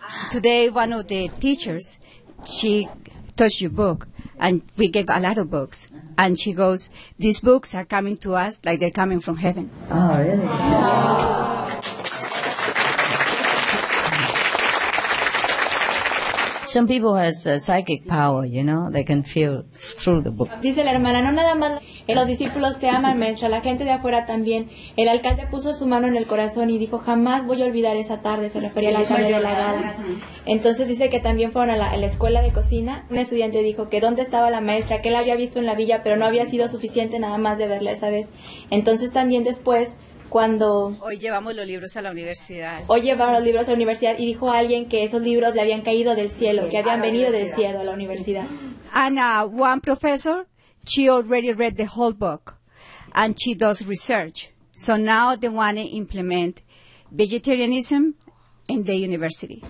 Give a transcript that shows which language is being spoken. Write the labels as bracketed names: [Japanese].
[English] Today one of the teachers, she touched your book, and we gave a lot of books. And she goes, these books are coming to us like they're coming from heaven. Oh, really? Oh. Some people has psychic power, you know, they can feel through the book. [Spanish] Dice la hermana, no nada más los discípulos te aman, maestra, la gente de afuera también. El alcalde puso su mano en el corazón y dijo, jamás voy a olvidar esa tarde, se refería al alcalde de la gala. Entonces dice que también fueron a la escuela de cocina. Un estudiante dijo que dónde estaba la maestra, que la había visto en la villa, pero no había sido suficiente nada más de verla esa vez. Entonces también después, cuando... Hoy llevamos los libros a la universidad y dijo a alguien que esos libros le habían caído del cielo, sí, que habían venido del cielo a la universidad. [English] And one professor, she already read the whole book and she does research. So now they want to implement vegetarianism in the university.